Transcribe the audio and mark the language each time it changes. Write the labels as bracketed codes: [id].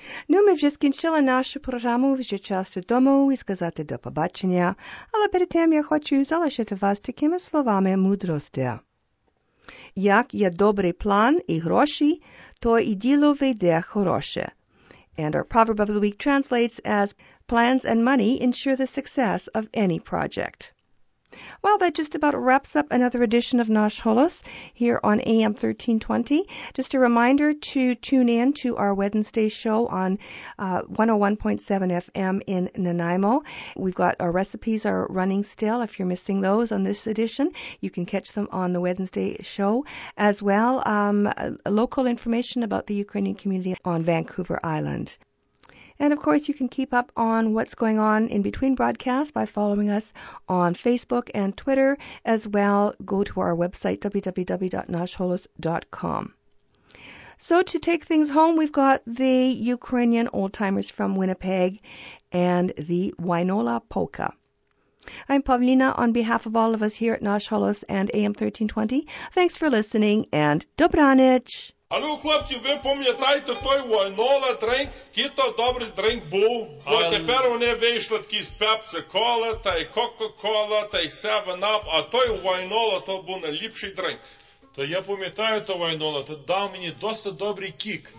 [uk] Ну, ми вже скінчили нашу програму, вже час додому і сказати до побачення. Але перед тим я хочу залишити вас такими словами мудрості. Як є добрий план і гроші, то і діло вийде хороше. [en] And our proverb of the week translates as plans and money ensure the success of any project. Well, that just about wraps up another edition of Nash Holos here on AM 1320. Just a reminder to tune in to our Wednesday show on 101.7 FM in Nanaimo. We've got our recipes are running still. If you're missing those on this edition, you can catch them on the Wednesday show as well. Local information about the Ukrainian community on Vancouver Island. And, of course, you can keep up on what's going on in between broadcasts by following us on Facebook and Twitter, as well go to our website, www.nashholos.com. So to take things home, we've got the Ukrainian old-timers from Winnipeg and the Wainola Polka. I'm Pavlina on behalf of all of us here at Nash Holos and AM 1320. Thanks for listening and Dobranich! [uk] А ну, хлопці, ви пам'ятаєте той Вайнола дринк? Скільки то добрий дринк був? Бо тепер вони вийшли такі з Пепсі-Кола, та й Кока-Кола, та й 7-Up, а той Вайнола то був найліпший дринк. Та я пам'ятаю то Вайнола, то дав мені досить добрий кік.